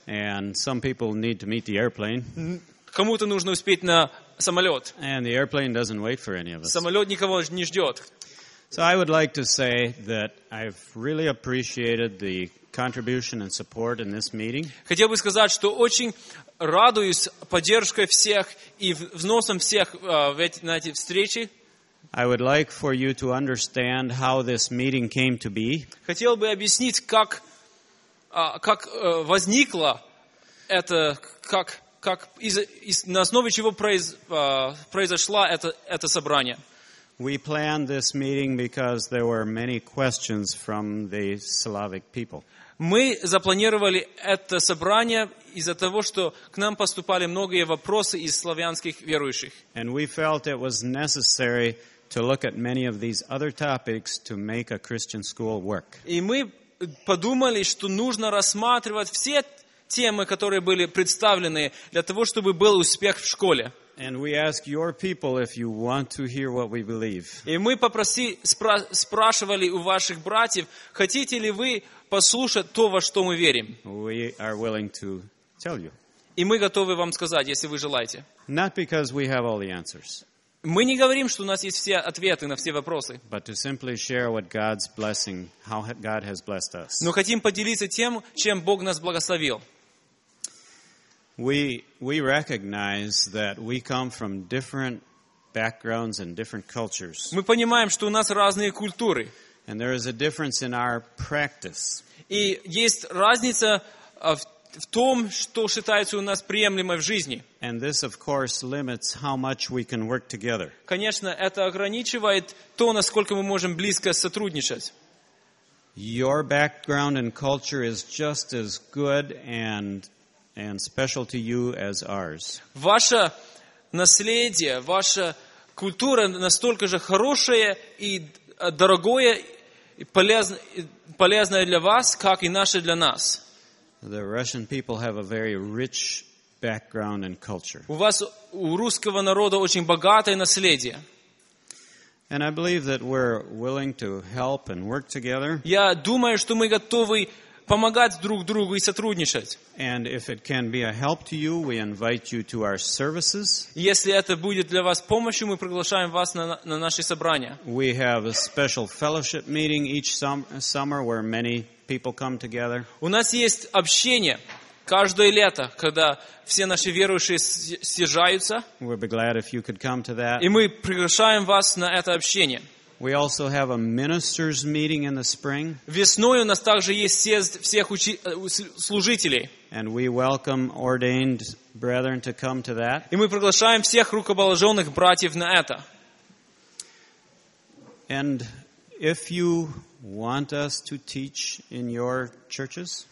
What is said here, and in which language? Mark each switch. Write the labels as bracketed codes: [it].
[en] And some people need to meet the airplane. [ru] Кому-то нужно успеть на самолет. [en] And the airplane doesn't wait for any of us. [ru] Самолет никого не ждет. [en] So I would like to say that I've really appreciated the contribution and support in this meeting. [ru] Хотел бы сказать, что очень радуюсь поддержкой всех и взносом всех на эти встречи. [en] I would like for you to understand how this meeting came to be. [ru] Хотел бы объяснить, как возникло это, как на основе чего произошло это собрание. [en] We planned this meeting because there were many questions from the Slavic people. [ru] Мы запланировали это собрание из-за того, что к нам поступали многие вопросы из славянских верующих. [en] And we felt it was necessary to look at many of these other topics to make a Christian school work. [ru] И мы подумали, что нужно рассматривать все темы, которые были представлены, для того, чтобы был успех в школе. [en] And we ask your people if you want to hear what we believe. [ru] И мы спрашивали у ваших братьев, хотите ли вы послушать то, во что мы верим. [en] We are willing to tell you. [ru] И мы готовы вам сказать, если вы желаете. [en] Not because we have all the answers. [ru] Мы не говорим, что у нас есть все ответы на все вопросы. [en] But to simply share what God's blessing, how God has blessed us. [ru] Но хотим поделиться тем, чем Бог нас благословил. [en] We recognize that we come from different backgrounds and different cultures. [ru] Мы понимаем, что у нас разные культуры. [en] And there is a difference in our practice. [ru] И есть разница в том, что считается у нас приемлемой в жизни. [en] And this, of course, limits how much we can work together. [ru] Конечно, это ограничивает то, насколько мы можем близко сотрудничать. [en] Your background and culture is just as good and special to you as ours. [ru] Ваше наследие, ваша культура настолько же хорошая и дорогое и полезное для вас, как и наше для нас. [en] The Russian people have a very rich background and culture. [ru] У вас, у русского народа, очень богатое наследие. [en] And I believe that we're willing to help and work together. [ru] Я думаю, что мы готовы помогать друг другу и сотрудничать. [en] And if it can be a help to you, we invite you to our services. [ru] Если это будет для вас помощью, мы приглашаем вас на наши собрания. [en] We have a special fellowship meeting each summer where many people come together. [ru] У нас есть общение каждое лето, когда все наши верующие съезжаются. [en] We'd be glad if you could come to that. [ru] И мы приглашаем вас на это общение. [en] We also have a ministers' meeting in the spring. [ru] Весною у нас также есть съезд всех служителей. [en] And we welcome ordained brethren to come to that. [ru] И мы приглашаем всех рукоположенных братьев на это. [en] And if you want us to teach in your churches,